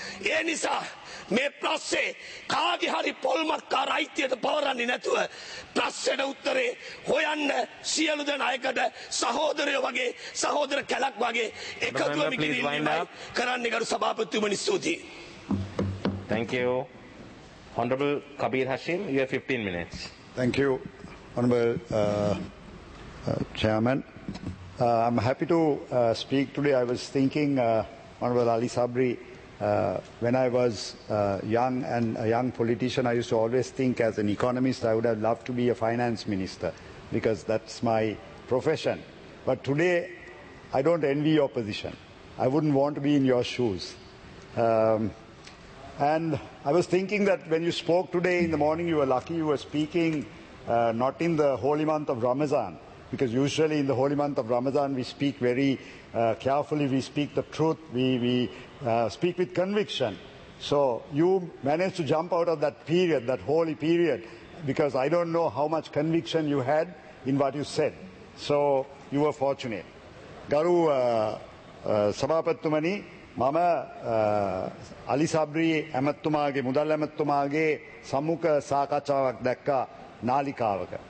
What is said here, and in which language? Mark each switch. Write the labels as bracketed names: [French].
[Sinhala] ඒ නිසා මේ ප්‍රශ්නේ කාගේ හරි පොල්මක්කාර අයිතියට පවරන්නේ නැතුව ප්‍රශ්නෙට උත්තරේ හොයන්න සියලු දෙනායකට සහෝදරයෝ වගේ සහෝදර කැලක් වගේ එකතු වෙමි කියන එක කරන්න ගරු සභාපතිතුමනි ස්තුතියි. [English] Thank you. Honorable Kabir Hashim, you have 15 minutes. Thank you, Honorable Chairman. I'm happy to speak today. I was thinking, Honorable Ali Sabri, when I was young and a young politician, I used to always think as an economist, I would have loved to be a finance minister because that's my profession. But today, I don't envy your position. I wouldn't want to be in your shoes. And I was thinking that when you spoke today in the morning, you were lucky you were speaking not in the holy month of Ramadan, because usually in the holy month of Ramadan, we speak very carefully, we speak the truth, we speak with conviction. So you managed to jump out of that period, that holy period, because I don't know how much conviction you had in what you said. So you were fortunate. [Sinhala] Garu Sabhapatthumani, මම අලි සබ්‍රි ඇමතුමාගේ මුදල් ඇමතුමාගේ සමුක සාකච්ඡාවක් දැක්කා නාලිකාවක.